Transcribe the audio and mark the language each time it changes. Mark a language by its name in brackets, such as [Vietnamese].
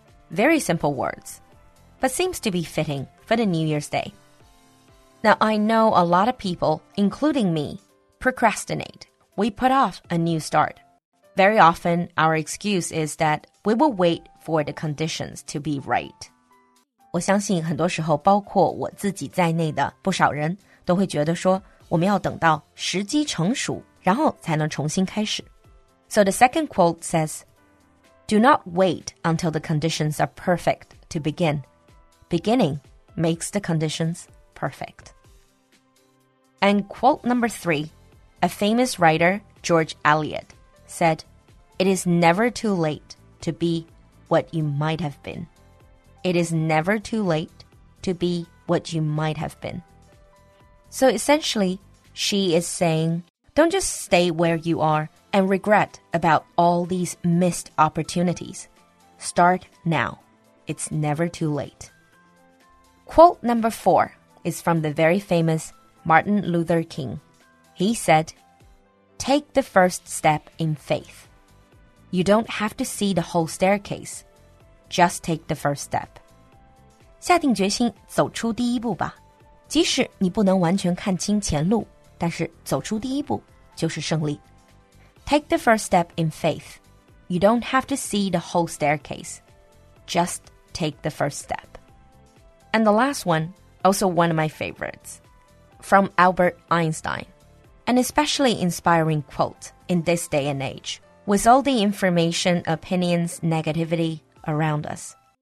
[English] Very simple words, but seems to be fitting for the New Year's Day. Now I know a lot of people, including me, procrastinate. We put off a new start. Very often, our excuse is that we will wait for the conditions to be right. [Chinese] 我相信很多时候包括我自己在内的不少人都会觉得说我们要等到时机成熟然后才能重新开始。 [English] So the second quote says, Do not wait until the conditions are perfect to begin. Beginning makes the conditions perfect. And quote number three, a famous writer, George Eliot,said, it is never too late to be what you might have been. It is never too late to be what you might have been. So essentially, she is saying, don't just stay where you are and regret about all these missed opportunities. Start now. It's never too late. Quote number four is from the very famous Martin Luther King. He said,Take the first step in faith. You don't have to see the whole staircase. Just take the first step. [Chinese] 下定决心走出第一步吧。即使你不能完全看清前路,但是走出第一步就是胜利。 [English] Take the first step in faith. You don't have to see the whole staircase. Just take the first step. And the last one, also one of my favorites, from Albert Einstein. An especially inspiring quote in this day and age, with all the information, opinions, negativity around us.